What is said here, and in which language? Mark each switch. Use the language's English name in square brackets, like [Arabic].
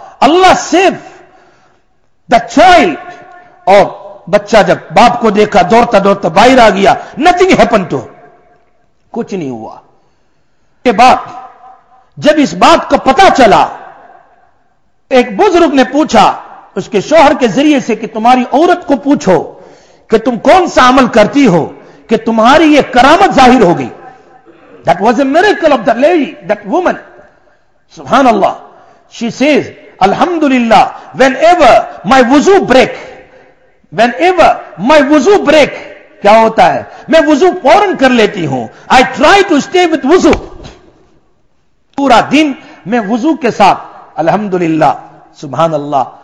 [Urdu] اللہ صرف [English] the child, [Urdu] اور بچہ جب باپ کو دیکھا دوڑتا دوڑتا باہر آ گیا, [English] nothing happened to, [Urdu] کچھ نہیں ہوا. کے باپ جب اس بات کو پتا چلا, ایک بزرگ نے پوچھا اس کے شوہر کے ذریعے سے کہ تمہاری عورت کو پوچھو کہ تم کون سا عمل کرتی ہو کہ تمہاری یہ کرامت ظاہر ہو گئی. [English] That was a miracle of the lady, that woman. Subhanallah. She says, Alhamdulillah, whenever my wuzu break, [Urdu] کیا ہوتا ہے, میں وضو فوراً کر لیتی ہوں. [English] I try to stay with wuzu. [Urdu] پورا دن میں وضو کے ساتھ, الحمدللہ, سبحان اللہ.